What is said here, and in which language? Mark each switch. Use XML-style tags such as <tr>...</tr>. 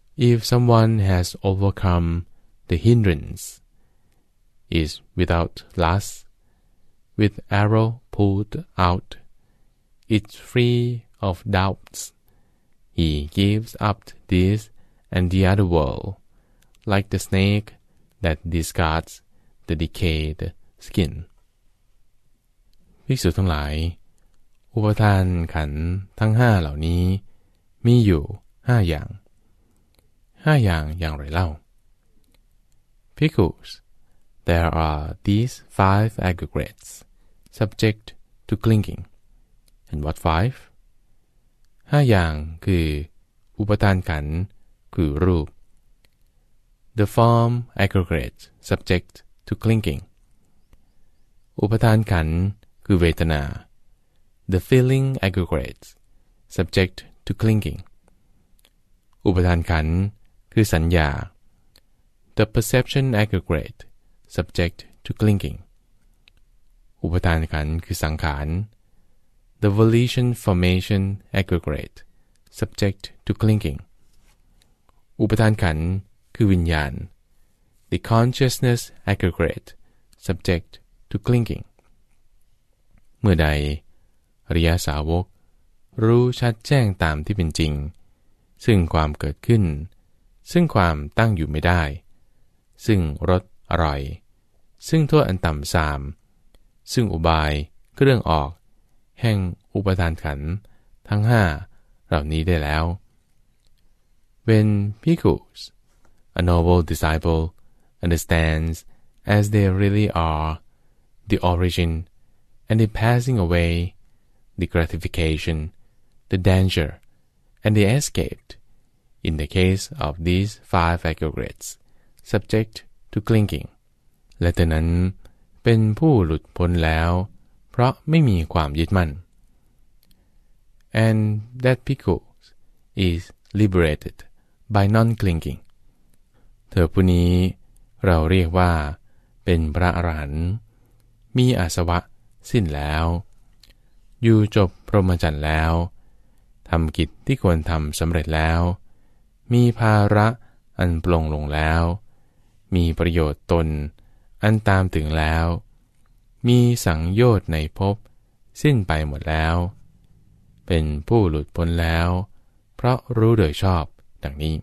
<en>If someone has overcome the hindrance, is without lust, with arrow pulled out, is free of doubts. He gives up this and the other world, like the snake that discards the decayed skin.</en> <th>ภิกษุทั้งหลายอุปทานขันธ์ทั้ง5เหล่านี้มีอยู่5อย่าง5อย่างอย่างไรเล่า</th> <en>Because there are these 5 aggregates subject to clinging. And what 5?</en> <th>5อย่างคืออุปทานขันธ์คือรูป</th> <en>The form aggregate subject to clinging.</en> <th>อุปทานขันธ์คือเวทนา</th> <en>The feeling aggregates, subject to clinging.</en> <th>อุปทานขันธ์คือสัญญา</th> <en>The perception aggregate, subject to clinging.</en> <th>อุปทานขันธ์คือสังขาร</th> <en>The volition formation aggregate, subject to clinging.</en> <th>อุปทานขันธ์คือวิญญาณ</th> <en>The consciousness aggregate, subject to clinging.</en> <th>เมื่อใดอริยสาวกรู้ชัดแจ้งตามที่เป็นจริงซึ่งความเกิดขึ้นซึ่งความตั้งอยู่ไม่ได้ซึ่งรสอร่อยซึ่งโทษอันต่ำสามซึ่งอุบายเครื่องออกแห่งอุปทานขันธ์ทั้ง5เหล่านี้ได้แล้ว</th> <en>When bhikkhus, a noble disciple, understands as they really are the origin and the passing awayThe gratification, the danger, and the escape, in the case of these 5 aggregates, subject to clinging.</en> <th>และนั้นเป็นผู้หลุดพ้นแล้วเพราะไม่มีความยึดมั่น</th> <en>And that bhikkhu is liberated by non-clinging.</en> <th>เธอผู้นี้เราเรียกว่าเป็นพระอรหันต์มีอาสวะสิ้นแล้วอยู่จบพรหมจรรย์แล้วทำกิจที่ควรทำสำเร็จแล้วมีภาระอันปลงลงแล้วมีประโยชน์ตนอันตามถึงแล้วมีสังโยชน์ในภพสิ้นไปหมดแล้วเป็นผู้หลุดพ้นแล้วเพราะรู้โดยชอบดังนี</th>